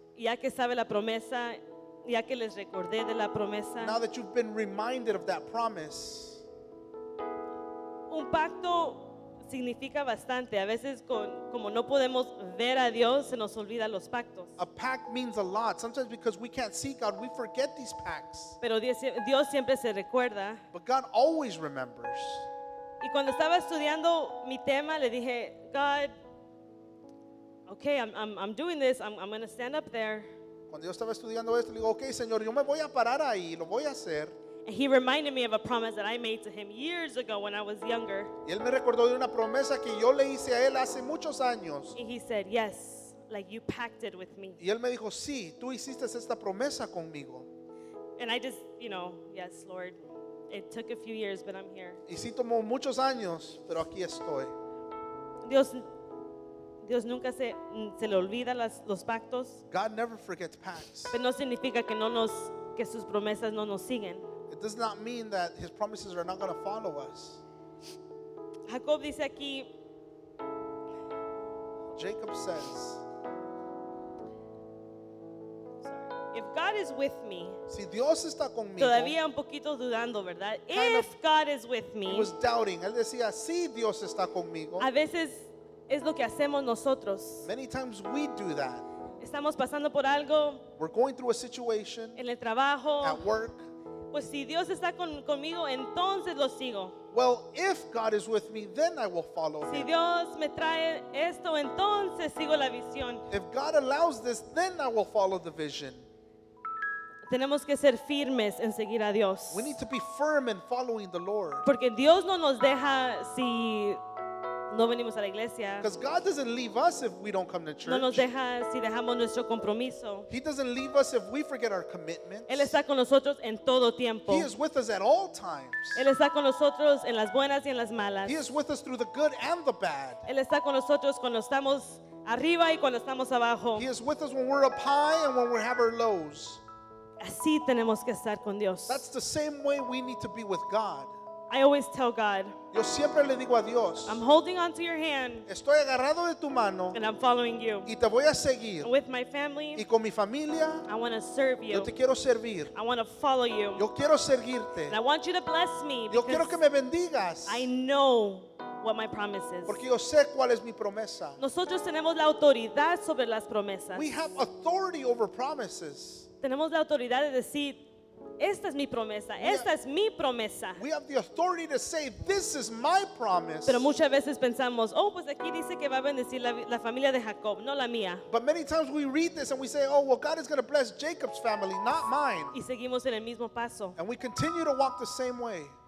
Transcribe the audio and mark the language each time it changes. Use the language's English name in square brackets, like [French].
[Spanish] Ya que sabe la promesa, ya que les recordé de la promesa. [English] Now that you've been reminded of that promise. [Spanish] Un pacto significa bastante. A veces como no podemos ver a Dios, se nos olvida los pactos. [English] A pact means a lot. Sometimes because we can't see God, we forget these pacts. [Spanish] Pero Dios siempre se recuerda. [English] But God always remembers. [Spanish] Y cuando estaba estudiando mi tema, le dije, [English] God, okay, I'm doing this. I'm going to stand up there. [Spanish] Cuando yo estaba estudiando esto, le digo, okay, Señor, yo me voy a parar ahí, lo voy a hacer. [English] And he reminded me of a promise that I made to him years ago when I was younger. [Spanish] Y él me recordó de una promesa que yo le hice a él hace muchos años. [English] And he said, yes, like you pacted with me. [Spanish] Y él me dijo, sí, tú hiciste esta promesa conmigo. [English] And I just, you know, yes, Lord, it took a few years, but I'm here. [Spanish] Y sí tomó muchos años, pero aquí estoy. Dios nunca se le olvida los pactos. [English] God never forgets pacts. [Spanish] Pero no significa que no nos que sus promesas no nos siguen. [English] It does not mean that his promises are not going to follow us. [Spanish] Jacob dice aquí. [English] Jacob says. If God is with me. [Spanish] Si Dios está conmigo. Todavía un poquito dudando, ¿verdad? [English] If God is with me. He was doubting. [Spanish] Él decía, si Dios está conmigo. A veces es lo que hacemos nosotros. [English] Many times we do that. [Spanish] Estamos pasando por algo. [English] We're going through a situation. [Spanish] En el trabajo. [English] At work. [Spanish] Pues si Dios está conmigo, entonces lo sigo. [English] Well, if God is with me, then I will follow [Spanish] si [English] him. [Spanish] Si Dios me trae esto, entonces sigo la visión. [English] If God allows this, then I will follow the vision. [Spanish] Tenemos que ser firmes en seguir a Dios. [English] We need to be firm in following the Lord. [Spanish] Porque Dios no nos deja si no venimos a la iglesia. [English] Because God doesn't leave us if we don't come to church. [Spanish] No nos deja si dejamos nuestro compromiso. [English] He doesn't leave us if we forget our commitments. [Spanish] Él está con nosotros en todo tiempo. [English] He is with us at all times. [Spanish] Él está con nosotros en las buenas y en las malas. [English] He is with us through the good and the bad. [Spanish] Él está con nosotros cuando estamos arriba y cuando estamos abajo. [English] He is with us when we're up high and when we have our lows. [Spanish] Así tenemos que estar con Dios. [English] That's the same way we need to be with God. I always tell God, [Spanish] yo siempre le digo a Dios, [English] I'm holding on to your hand, [Spanish] estoy agarrado de tu mano, [English] and I'm following you, [Spanish] y te voy a seguir, [English] with my family, [Spanish] y con mi familia, [English] I want to serve you, [Spanish] yo te quiero servir, [English] I want to follow you, [Spanish] yo quiero seguirte, [English] and I want you to bless me, [Spanish] yo quiero que me bendigas, [English] I know what my promise is, [Spanish] porque yo sé cuál es mi promesa. Nosotros tenemos la autoridad sobre las promesas. [English] We have authority over promises. [Spanish] Tenemos la autoridad de decir, esta es mi promesa. Esta es mi promesa. [English] We have the authority to say this is my promise. [Spanish] Pero muchas veces pensamos, oh, pues aquí dice que va a bendecir la familia de Jacob, no la mía. [English] But many times we read this and we say, oh, well, God is going to bless Jacob's family, not mine. [Spanish] Y seguimos en el mismo paso. [English] And we continue to walk the same way.